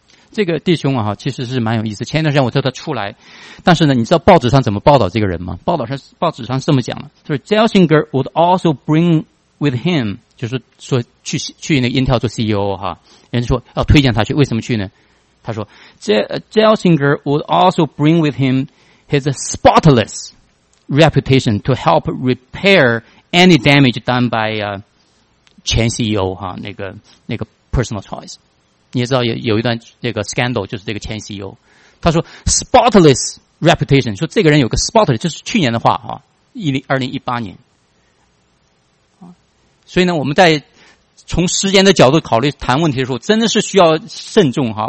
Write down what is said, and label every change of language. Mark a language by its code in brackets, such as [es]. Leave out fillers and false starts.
[zh] 这个弟兄啊，其实是蛮有意思。前一段时间我叫他出来，但是呢，你知道报纸上怎么报道这个人吗？报纸上是这么讲的，就是 [en] Gelsinger would also bring with him， [zh] 就是说去那个 Intel 做 CEO 哈，人家说要推荐他去，为什么去呢？ [en] 他说 Gelsinger would also bring with him his spotless reputation to help repair any damage done by [zh] 前 [en] CEO 哈，那个 personal choice。 [zh] 你也知道有一段这个 scandal， 就是这个前 CEO， 他说 [en] spotless reputation， [zh] 说这个人有个 spotless， 就是去年的话啊，2018年，所以呢，我们在从时间的角度考虑谈问题的时候，真的是需要慎重哈。